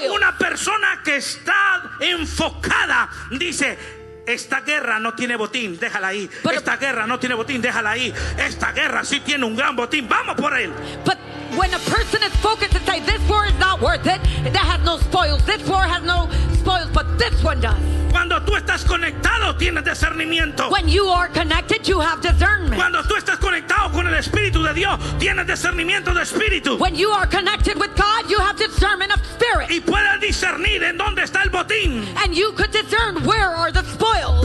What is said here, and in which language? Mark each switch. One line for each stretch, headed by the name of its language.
Spanish: Pero una persona que está enfocada dice, esta guerra no tiene botín, déjala ahí. But esta guerra no tiene botín, déjala ahí. Esta guerra sí tiene un gran botín, vamos por él.
English: But when a person is focused to say this war is not worth it, that has no spoils. This war has no spoils, but this one does.
Spanish: Cuando tú estás conectado, tienes discernimiento.
English: When you are connected, you have discernment.
Spanish: Cuando tú estás conectado con el Espíritu de Dios, tienes discernimiento de Espíritu.
English: When you are connected with God, you have discernment of spirit.
Spanish: Y puedes discernir en dónde está el botín.
English: And you could discern where are the spoils.